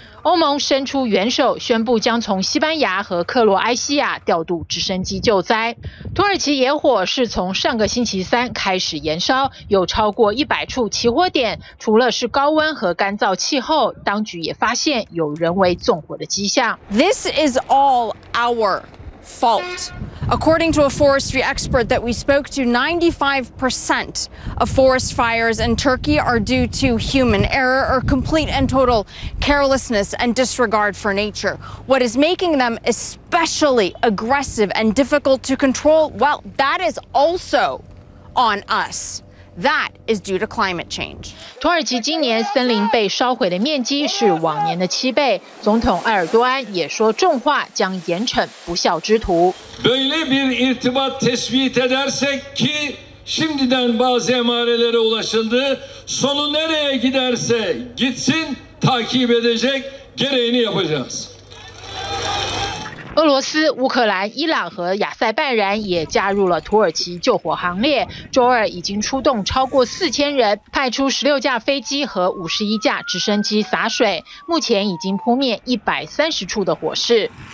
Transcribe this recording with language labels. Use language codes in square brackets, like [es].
[zh] 欧盟伸出援手，宣布将从西班牙和克罗埃西亚调度直升机救灾。土耳其野火是从上个星期三开始燃烧，有超过100处起火点。除了是高温和干燥气候，当局也发现有人为纵火的迹象。 [en] This is all our fault. According to a forestry expert that we spoke to, 95% of forest fires in Turkey are due to human error or complete and total carelessness and disregard for nature. What is making them especially aggressive and difficult to control? Well, that is also on us. That is due to climate change. [zh] 土耳其今年森林被烧毁的面积是往年的7倍。总统埃尔多安也说重话，将严惩不孝之徒。 [tr] Böyle bir irtibat tespit edersek ki şimdiden bazı emarelere ulaşıldı. Sonu nereye giderse gitsin takip edecek gereğini yapacağız. [zh] 俄罗斯、乌克兰、伊朗和亚塞拜然也加入了土耳其救火行列。周二已经出动超过4000人，派出16架飞机和51架直升机洒水，目前已经扑灭130处的火势。